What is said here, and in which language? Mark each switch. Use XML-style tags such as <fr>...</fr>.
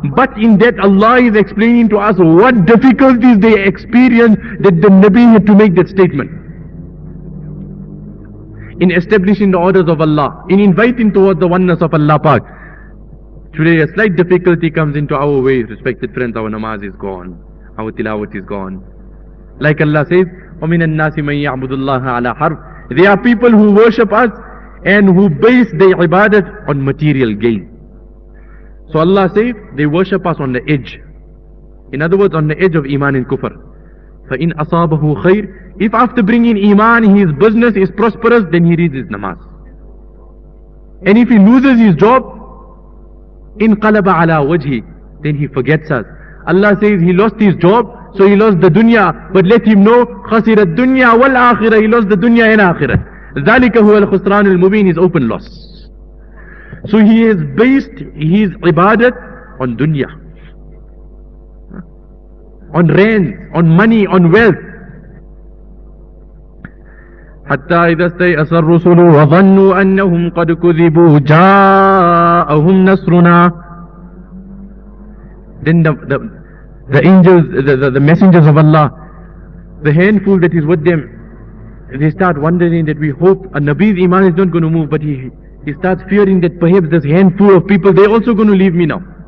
<en>But in that, Allah is explaining to us what difficulties they experienced that the Nabi had to make that statement. In establishing the orders of Allah, in inviting towards the oneness of Allah Pak. Today a slight difficulty comes into our way, respected friends, our namaz is gone, our tilawat is gone. Like Allah says,</en> <ar>وَمِنَ النَّاسِ مَنْ يَعْبُدُ اللَّهَ عَلَىٰ حَرْفٍ.</ar> <en>There are people who worship us and who base their ibadat on material gain. So Allah says, they worship us on the edge. In other words, on the edge of iman and kufr.</en> <ar>فَإِنْ أَصَابَهُ خَيْرٍ.</ar> <en>If after bringing iman, his business is prosperous, then he reads his namaz. And if he loses his job,</en> <ar>in qalaba ala wajhi,</ar> <en>then he forgets us. Allah says he lost his job, so he lost the dunya. But let him know,</en> <ar>khasir al dunya wal akhirah.</ar> <en>He lost the dunya and akhirah.</en> <ar>Zalika huwa al khusran al mubin,</ar> <en>is open loss. So he has based his ibadat on dunya, on rent, on money, on wealth.</en> <ar>حتى إذا استيأس الرسل وظنوا أنهم قد كذبوا جاءهم نصرنا.</ar> <en>Then the angels, the messengers of Allah, the handful that is with them, they start wondering that we hope a Nabi's iman is not going to move, but he starts fearing that perhaps this handful of people, they're also going to leave me now.</en>